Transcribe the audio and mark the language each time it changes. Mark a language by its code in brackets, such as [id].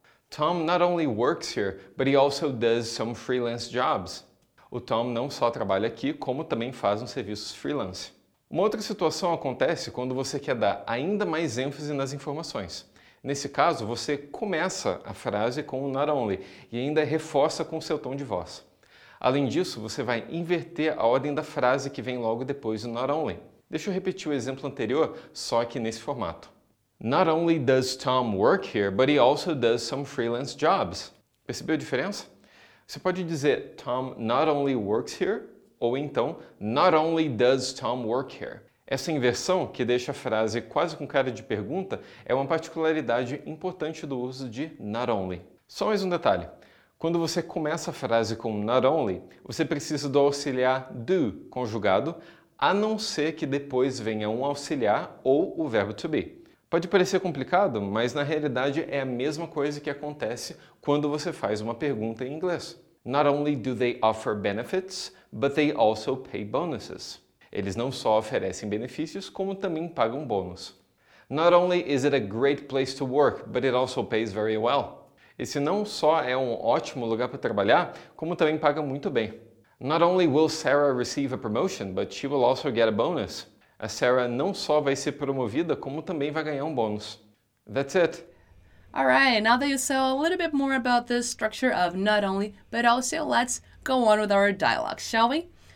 [en] Tom not only works here, but he also does some freelance jobs. [pt] O Tom não só trabalha aqui, como também faz uns serviços freelance. Uma outra situação acontece quando você quer dar ainda mais ênfase nas informações. Nesse caso, você começa a frase com o not only e ainda reforça com o seu tom de voz. Além disso, você vai inverter a ordem da frase que vem logo depois do not only. Deixa eu repetir o exemplo anterior, só que nesse formato. [en] Not only does Tom work here, but he also does some freelance jobs. [pt] Percebeu a diferença? Você pode dizer [en] Tom not only works here, [pt] ou então [en] Not only does Tom work here. [pt] Essa inversão, que deixa a frase quase com cara de pergunta, é uma particularidade importante do uso de not only. Só mais um detalhe. Quando você começa a frase com not only, você precisa do auxiliar do conjugado, a não ser que depois venha um auxiliar ou o verbo to be. Pode parecer complicado, mas na realidade é a mesma coisa que acontece quando você faz uma pergunta em inglês. [en] Not only do they offer benefits, but they also pay bonuses. [pt] Eles não só oferecem benefícios, como também pagam bônus. [en] Not only is it a great place to work, but it also pays very well. [pt] Esse não só é um ótimo lugar para trabalhar, como também paga muito bem. [en] Not only will Sarah receive a promotion, but she will also get a bonus. [pt] A Sarah não só vai ser promovida, como também vai ganhar um bônus. [en] That's it. All right, now that you saw a little bit more about the structure of not only, but also let's go on with our dialogue, shall we?